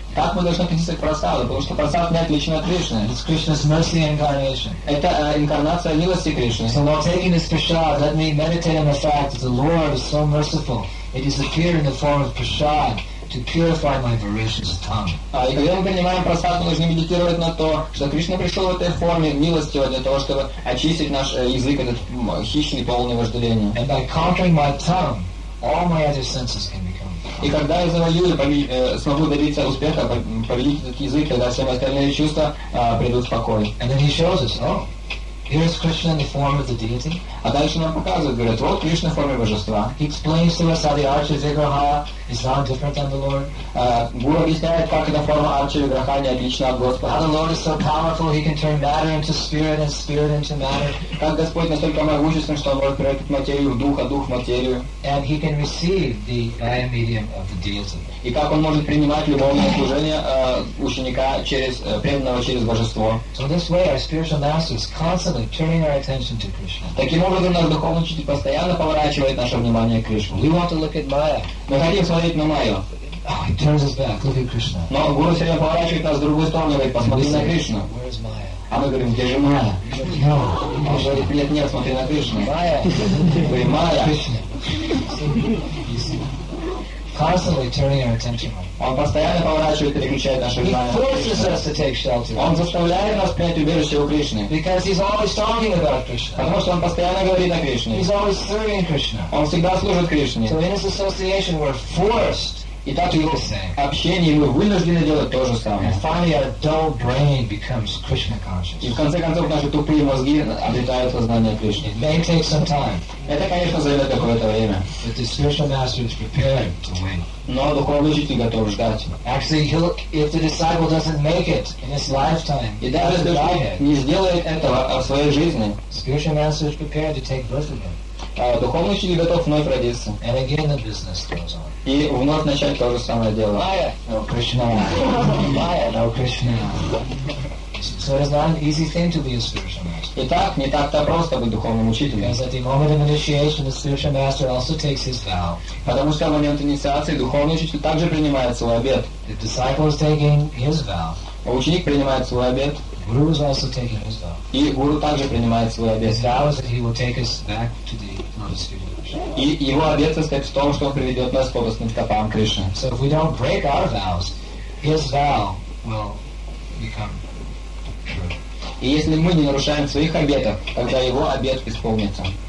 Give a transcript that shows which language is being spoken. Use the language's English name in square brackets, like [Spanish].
[Russian] Так мы должны относиться к прасаду, потому что прасад не отличен от Кришны. [English] It's Krishna's mercy incarnation. [Russian] Это инкарнация милости Кришны. [English] So while taking this prasad, let me meditate on the fact that the Lord is so merciful. It has appeared in the form of prasad. To purify my voracious tongue. [Russian] И когда мы принимаем прасад, мы должны медитировать на то, что Кришна пришел в этой форме милостиво для того, чтобы очистить наш язык этот хищный, полный вожделения. [English] And by conquering my tongue, all my other senses can become. [Russian] И когда я завоюю, смогу добиться успеха, победить этот язык, тогда все мои остальные чувства придут в покой. [English] And then he shows us, Here is Krishna in the form of the deity. [Russian] А дальше нам показывают, говорят, вот Кришна в форме божества. [English] He explains to us how the Archa Vigraha is not different than the Lord. [Russian] Гуру объясняет, как эта форма Арчи Виграха не отлична от Господа. [English] How the Lord is so powerful, he can turn matter into spirit and spirit into matter. [Russian] Как Господь настолько могуществен, что он может превратить материю в дух, а дух в материю. [English] And he can receive the Gaya medium of the deity. [Russian] И как он может принимать любовное служение ученика через преданного через божество. [English] So this way our spiritual masters constantly turning our attention to Krishna. [Russian] Таким образом, наш духовный учитель постоянно поворачивает наше внимание к Кришне. [English] We want to look at Maya. [Russian] Мы хотим смотреть на Майю. [English] Oh, he turns us back. Look at Krishna. [Russian] Но Гуру все время поворачивает нас в другую сторону и говорит, посмотри [English] say, [Russian] на Кришну. [English] Where is Maya? [Russian] А мы говорим, где же Майя? Он говорит, нет, нет, смотри на Кришну. Майя. Говорит, Майя. Кришна. [English] Constantly turning our attention [Russian] on. Он постоянно поворачивает и переключает наши внимания. Он заставляет нас принять убежище у Кришны. [English] Because he's always talking about Krishna. [Russian] Потому что он постоянно говорит о Кришне. [English] He's always serving Krishna. [Russian] Он всегда служит Кришне. [English] So in his association we're forced. [Russian] И так в общении мы вынуждены делать то же самое. [English] And finally our dull brain becomes Krishna conscious. [Russian] И в конце концов наши тупые мозги обретают сознание Кришны. [English] It may take some time. [Russian] Это, конечно, займет какое-то время. [English] But the spiritual master is prepared to wait. [Russian] Но духовный учитель готов ждать. [English] Actually, he'll, if the disciple doesn't make it in his lifetime, [Russian] и даже если он не сделает этого в своей жизни, [English] spiritual master is prepared to take birth again. [Russian] Духовный учитель готов вновь родиться. [English] And again the business goes on. [Russian] И вновь начать то же самое дело. [English] Майя! Кришна! So it is not an easy thing to be a spiritual master. [Russian] Итак, не так-то просто быть духовным учителем. [English] Because at the moment of initiation, the spiritual master also takes his vow. [Russian] Потому что в момент инициации духовный учитель также принимает свой обет. [English] The disciple is taking his vow. [Russian] Ученик принимает свой обет. [English] Guru is also taking his vow. [Russian] И гуру также принимает свой обет. [English] His vow is that he will take us back to the lotus feet. [Russian] И его обет состоит в том, что он приведет нас к лотосным стопам Кришны. [English] So if we don't break our vows, his vow will become. [Russian] И если мы не нарушаем своих обетов, тогда его обет исполнится.